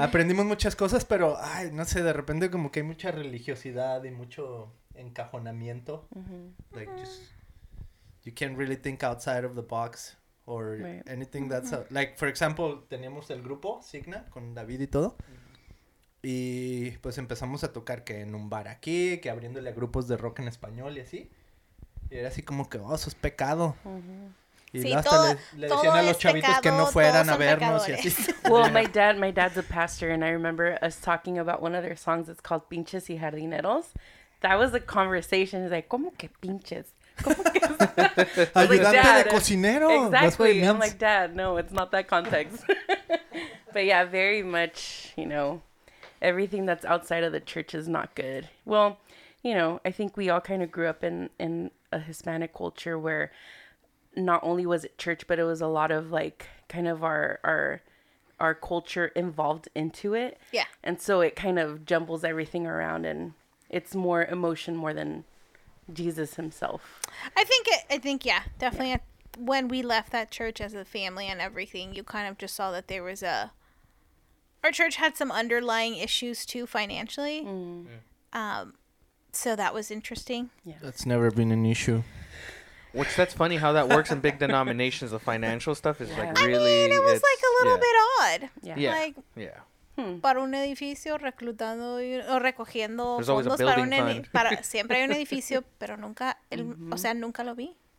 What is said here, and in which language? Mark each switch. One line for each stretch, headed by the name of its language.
Spanish: Aprendimos muchas cosas, pero, ay, no sé, de repente como que hay mucha religiosidad y mucho encajonamiento. Mm-hmm. Like, mm-hmm.
English: You can't really think outside of the box or right. anything that's... Mm-hmm. Like, for example,
Spanish: teníamos el grupo Signa con David y todo. Mm-hmm. Y pues empezamos a tocar que en un bar aquí, que abriéndole a grupos de rock en español y así. Y era así como que, oh, eso es pecado. Mm-hmm. Y sí, hasta le decían a los chavitos pecado, que no fueran a vernos pecadores. Y así.
English: Well, yeah. my dad's a pastor and I remember us talking about one of their songs. It's called Pinches y Jardineros. That was a conversation. It's like,
Spanish: ¿cómo que pinches? Ayudante de cocinero.
English: Exactly. I'm like, Dad, no, it's not that context. But yeah, very much, you know, everything that's outside of the church is not good. Well, you know, I think we all kind of grew up in a Hispanic culture where not only was it church, but it was a lot of like kind of our culture involved into it. Yeah. And so it kind of jumbles everything around and it's more emotion more than Jesus himself. I think, definitely. When we left that church as a family and everything, you kind of just saw that there was our church had some underlying issues too financially. Mm. Yeah. So that was interesting. Yeah. That's never been an issue. Which, that's funny how that works in big denominations. The financial stuff is like really... I mean, it was like a little bit odd. Yeah. Like, yeah.
Spanish: Para un edificio reclutando o recogiendo fondos para un edificio. Para siempre hay un edificio, pero nunca, mm-hmm. o sea, nunca lo vi.